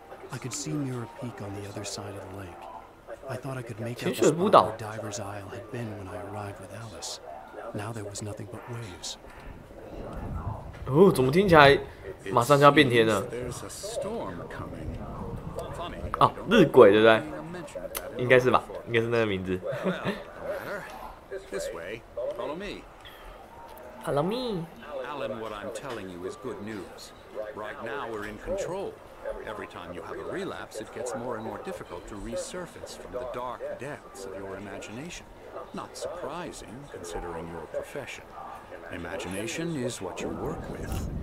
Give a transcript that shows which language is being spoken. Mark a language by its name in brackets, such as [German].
[English] I could see Mirror Peak on the other side of the lake. I thought I could make out where Diver's Isle had been when I arrived with Alice. Now there was nothing but waves. [Chinese] 哦，怎么听起来马上就要变天了？ [English] There's a storm coming. Funny. [Chinese] 哦，日晷对不对？应该是吧，应该是那个名字。 [English] This way, follow me. Follow me. Alan, what I'm telling you is good news. Right now we're in control. Every time you have a relapse, it gets more and more difficult to resurface from the dark depths of your imagination. Not surprising, considering your profession. Imagination is what you work with.